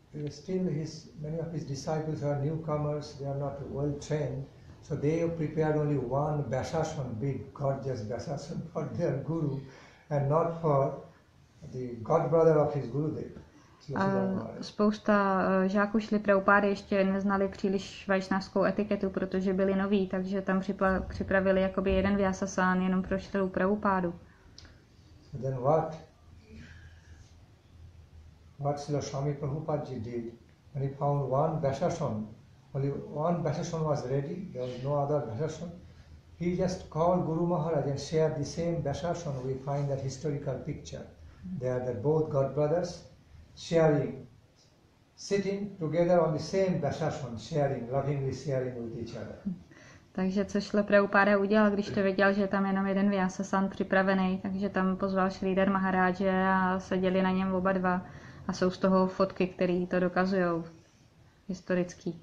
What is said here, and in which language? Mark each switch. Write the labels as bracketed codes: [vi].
[en] Still, many of his disciples are newcomers. They are not well trained, so they have prepared only one basasan, big gorgeous basasan, for their guru, and not for the god brother of his gurudev. [cs] Spousta žáků šli Prabhupáda ještě neznali příliš vajšnavskou etiketu, protože byli noví, takže tam připravili jakoby jeden vyasasán jenom pro Šrilu Prabhupádu. [en] So then what? What Srila Swami Prabhupada did when he found one Vyasasana, only one Vyasasana was ready, there was no other Vyasasana. He just called Guru Maharaj and shared the same Vyasasana. We find that historical picture. They are the both god brothers sharing, sitting together on the same Vyasasana, sharing, lovingly sharing with each other. [cs] Takže co Srila Prabhupada udělal, když to věděl, že tam jenom jeden Vyasasana připravený, takže tam pozval Sridhar Maharaja a seděli na něm oba dva. A jsou z toho fotky, které to dokazují historicky.